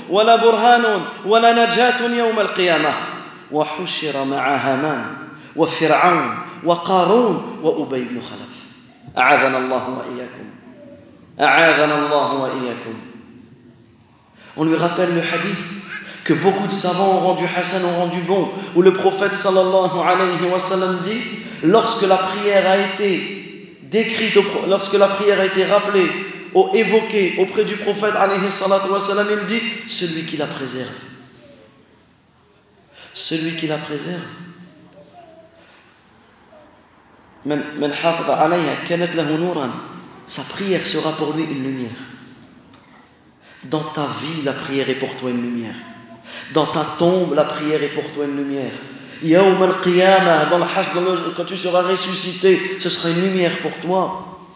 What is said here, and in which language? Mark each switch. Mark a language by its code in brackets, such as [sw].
[ar] ولا برهان ولا نجاة يوم القيامة وحشر مع هامان وفرعون وقارون وأبي بن خلف أعاذنا الله وإياكم أعاذنا الله وإياكم. [fr] On lui rappelle le hadith que beaucoup de savants ont rendu hassan, ont rendu bon, où le prophète sallallahu alayhi wa sallam dit, lorsque la prière a été décrite, lorsque la prière a été rappelée ou évoqué auprès du prophète alayhi salatu wa salam, il dit, celui qui la préserve, celui qui la préserve. [ar] من حافظ عليها كانت له نورا. [fr] Sa prière sera pour lui une lumière. Dans ta vie, la prière est pour toi une lumière. Dans ta tombe, la prière est pour toi une lumière. [ar] يوم القيامة, [fr] dans le hajj, quand tu seras ressuscité, ce sera une lumière pour toi.